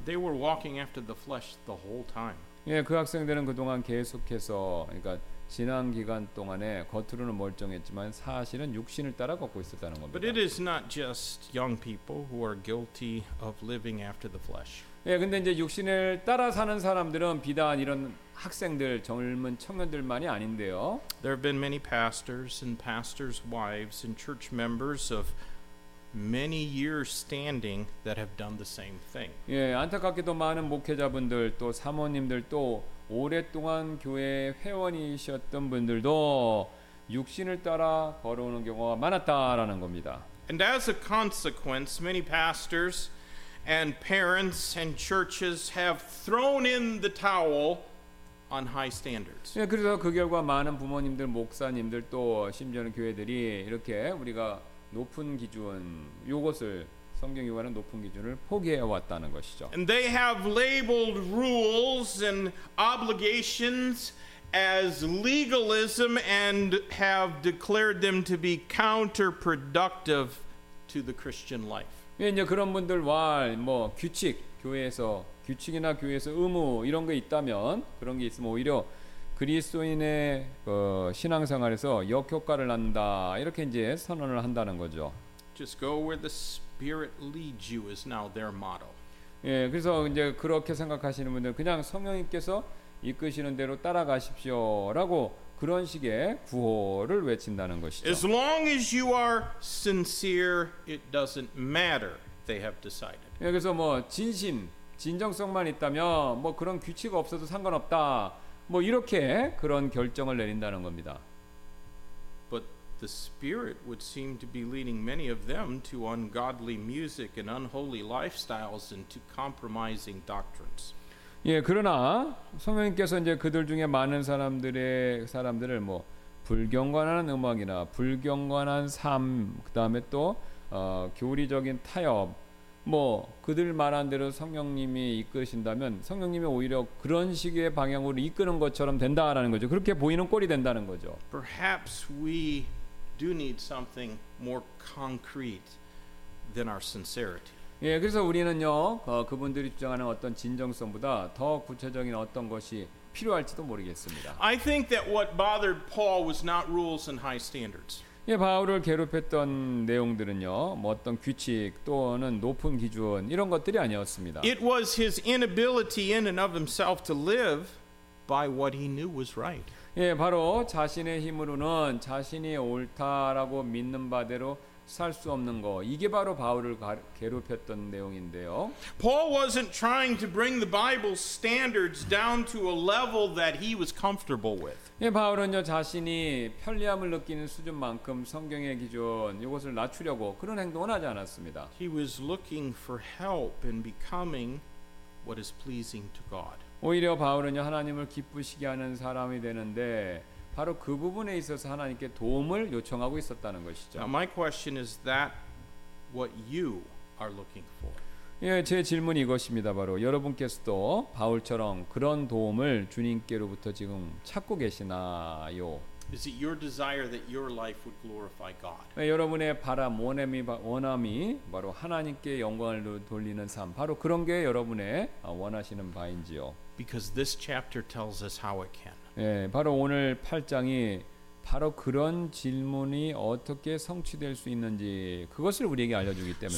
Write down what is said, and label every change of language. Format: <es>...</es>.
<en>They were walking after the flesh the whole time.</en> <ko>예, 그 학생들은 그동안 계속해서 그러니까 지난 기간 동안에 겉으로는 멀쩡했지만 사실은 육신을 따라 걷고 있었다는 겁니다.</ko> <en>But it is not just young people who are guilty of living after the flesh.</en> <ko>예, 근데 이제 육신을 따라 사는 사람들은 비단 이런 학생들, 젊은 청년들만이 아닌데요.</ko> <en>There have been many pastors and pastors' wives and church members of many years standing that have done the same thing.</en> <ko>예, 안타깝게도 많은 목회자분들 또 사모님들 또 오랫동안 교회 회원이셨던 분들도 육신을 따라 걸어오는 경우가 많았다라는 겁니다.</ko> <en>And as a consequence, many pastors and parents and churches have thrown in the towel on high standards.</en> <ko>예, 그래서 그 결과 많은 부모님들, 목사님들 또 심지어는 교회들이 이렇게 우리가 높은 기준 요것을 성경 요구하는 높은 기준을 포기해 왔다는 것이죠.</ko> <en>And they have labeled rules and obligations as legalism and have declared them to be counterproductive to the Christian life.</en> <ko>예, 이제 그런 분들 와 뭐 규칙 교회에서 규칙이나 교회에서 의무 이런 게 있다면 그런 게 있으면 오히려 그리스도인의 그 신앙생활에서 역효과를 낳는다 이렇게 이제 선언을 한다는 거죠.</ko> <en>Just go where the Spirit leads you is now their motto.</en> <ko>예, 그래서 이제 그렇게 생각하시는 분들 그냥 성령님께서 이끄시는 대로 따라가십시오라고 그런 식의 구호를 외친다는 것이죠.</ko> <en>As long as you are sincere, it doesn't matter. They have decided.</en> <ko>예, 그래서 뭐 진심, 진정성만 있다면 뭐 그런 규칙 없어도 상관없다. 뭐 이렇게 그런 결정을 내린다는 겁니다.</ko> <en>But the Spirit would seem to be leading many of them to ungodly music and unholy lifestyles and to compromising doctrines.</en> <ko>예, 그러나 성령님께서 이제 그들 중에 많은 사람들을 뭐 불경건한 음악이나 불경건한 삶, 그다음에 또 교리적인 타협 뭐 그들 말한 대로 성령님이 이끄신다면 성령님이 오히려 그런 식의 방향으로 이끄는 것처럼 된다라는 거죠. 그렇게 보이는 꼴이 된다는 거죠.</ko> <en>Perhaps we do need something more concrete than our sincerity.</en> <ko>예, 그래서 우리는요. 그분들이 주장하는 어떤 진정성보다 더 구체적인 어떤 것이 필요할지도 모르겠습니다.</ko> <en>I think that what bothered Paul was not rules and high standards.</en> <ko>예, 바울을 괴롭혔던 내용들은요, 뭐 어떤 규칙 또는 높은 기준 이런 것들이 아니었습니다.</ko> <en>It was his inability in and of himself to live by what he knew was right.</en> <ko>예, 바로 자신의 힘으로는 자신이 옳다라고 믿는 바대로 살 수 없는 거. 이게 바로 바울을 괴롭혔던 내용인데요.</ko> <en>Paul wasn't trying to bring the Bible's standards down to a level that he was comfortable with.</en> <ko>예, 바울은요 자신이 편리함을 느끼는 수준만큼 성경의 기준 이것을 낮추려고 그런 행동은 하지 않았습니다.</ko> <en>He was looking for help in becoming what is pleasing to God.</en> <ko>오히려 바울은요 하나님을 기쁘시게 하는 사람이 되는데 바로 그 부분에 있어서 하나님께 도움을 요청하고 있었다는 것이죠.</ko> <en>Now my question is that what you are looking for?</en> <ko>예, 제 질문이 이것입니다. 바로 여러분께서도 바울처럼 그런 도움을 주님께로부터 지금 찾고 계시나요?</ko> <en>Is it your desire that your life would glorify God?</en> <ko>예, 여러분의 바람, 원함이 바로 하나님께 영광을 돌리는 삶, 바로 그런 게 여러분의 원하시는 바인지요?</ko> <en>Because this chapter tells us how it can.</en> <ko>예, 바로 오늘 8장이 바로 그런 질문이 어떻게 성취될 수 있는지 그것을 우리에게 알려주기 때문에</ko>